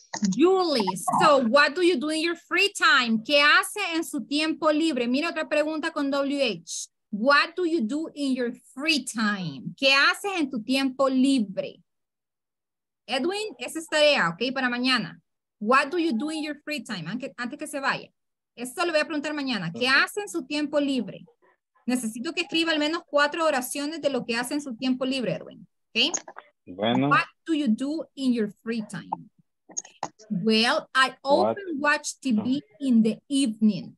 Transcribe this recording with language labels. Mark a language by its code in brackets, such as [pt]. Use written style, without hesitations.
[en] Julie, so what do you do in your free time? [es] ¿Qué hace en su tiempo libre? Mira otra pregunta con WH. [en] What do you do in your free time? [es] ¿Qué haces en tu tiempo libre? Edwin, esa es tarea, ok, para mañana. [en] What do you do in your free time? [es] Antes que se vaya. Esto lo voy a preguntar mañana. ¿Qué hace en su tiempo libre? Necesito que escriba al menos 4 oraciones de lo que hace en su tiempo libre, Edwin. [en] ¿Ok? [es] Bueno. [en] What do you do in your free time? Well, I often watch TV in the evening.